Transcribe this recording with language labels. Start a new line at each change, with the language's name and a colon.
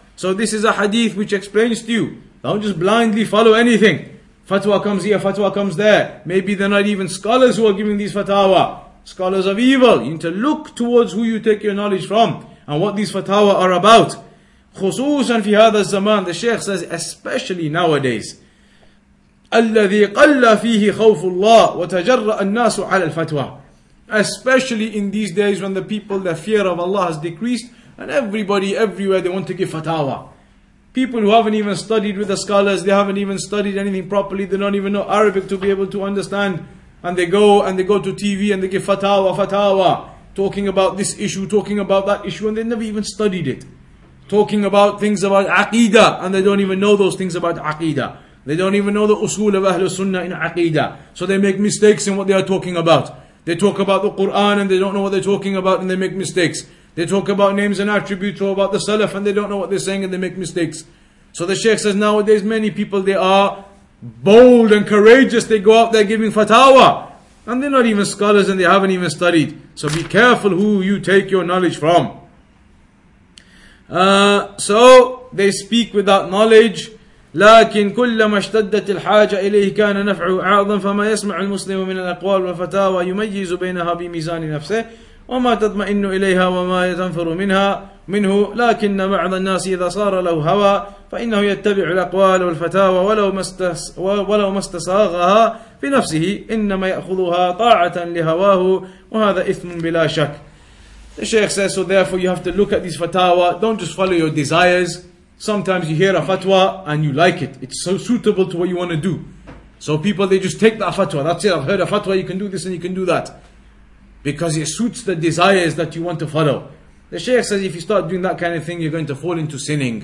English: So this is a hadith which explains to you. Don't just blindly follow anything. Fatwa comes here, fatwa comes there. Maybe they're not even scholars who are giving these fatawa. Scholars of evil. You need to look towards who you take your knowledge from and what these fatawa are about.
Arabic: خصوصاً في هذا الزمان.
English: The Shaykh says, especially nowadays.
Arabic: الذي قل فيه خوف الله وتجرأ الناس على الفتوى.
English: Especially in these days when the people, their fear of Allah has decreased. And everybody, everywhere, they want to give fatawa. People who haven't even studied with the scholars, they haven't even studied anything properly, they don't even know Arabic to be able to understand. And they go to TV and they give fatawa, talking about this issue, talking about that issue, and they never even studied it. talking about things about aqidah, and they don't even know those things about aqidah. They don't even know the usul of Ahlul Sunnah in aqidah. So they make mistakes in what they are talking about. They talk about the Quran and they don't know what they're talking about and they make mistakes. They talk about names and attributes or about the Salaf and they don't know what they're saying and they make mistakes. So the Shaykh says, nowadays many people, they are bold and courageous. They go out there giving fatawa. And they're not even scholars and they haven't even studied. So be careful who you take your knowledge from. So they speak without knowledge.
Arabic: لكن كلما اشتدت الحاجة إليه كان نفعه أعظم فما يسمع المسلم من الأقوال والفتاوى يميز بينها بميزان نفسه وما تطمئن إليها وما يتنفر منها منه لكن بعض الناس إذا صار له هوى فإنه يتبع الأقوال والفتاوى ولو ما استصاغها في نفسه إنما يأخذها طاعة لهواه وهذا إثم بلا شك.
English: The Shaykh says, so therefore you have to look at these fatawa. Don't just follow your desires. Sometimes you hear a fatwa and you like it. It's so suitable to what you want to do. So people, they just take that fatwa. That's it, I've heard a fatwa, you can do this and you can do that. Because it suits the desires that you want to follow. The Shaykh says, if you start doing that kind of thing, you're going to fall into sinning.